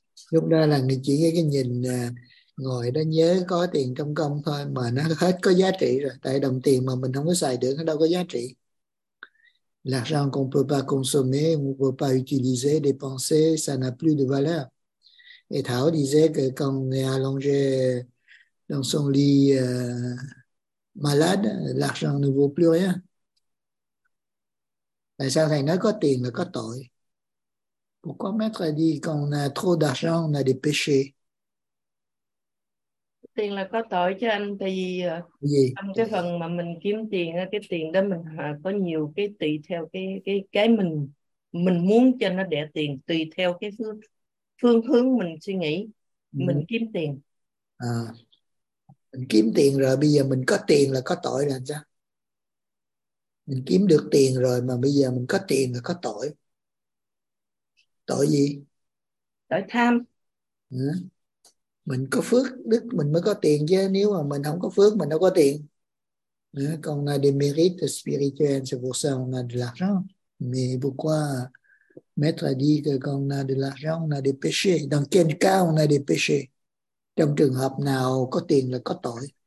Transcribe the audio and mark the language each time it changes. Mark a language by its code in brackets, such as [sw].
[vi] Lúc đó là người chỉ cái nhìn... ngồi đó nhớ có tiền trong công thôi mà nó hết có giá trị rồi, tại đồng tiền mà mình không có xài được nó đâu có giá trị. Là rằng [fr] qu'on peut pas consommer, on peut pas utiliser, dépenser, ça n'a plus de valeur. Et Thảo disait que quand on est allongé dans son lit malade, l'argent ne vaut plus rien. [vi] Tại sao thầy nói có tiền là có tội? [fr] Pourquoi maître a dit quand on a trop d'argent, on a des péchés? [vi] Tiền là có tội chứ anh, tại vì gì? Trong cái phần mà mình kiếm tiền, cái tiền đó mình có nhiều cái tùy theo cái mình muốn cho nó đẻ tiền, tùy theo cái phương hướng mình suy nghĩ, mình kiếm tiền. À, mình kiếm tiền rồi bây giờ mình có tiền là có tội là sao? Mình kiếm được tiền rồi mà bây giờ mình có tiền là có tội. Tội gì? Tội tham. Ừ. Mình có phước đức mình mới có tiền chứ, nếu mà mình không có phước mình đâu có tiền. Còn là [fr] des mérites spirituels, c'est pour ça on a de l'argent. Mais pourquoi maître a dit que quand on a de l'argent on a des péchés? Dans quel cas on a des péchés? [vi] Trong trường hợp nào có tiền là có tội?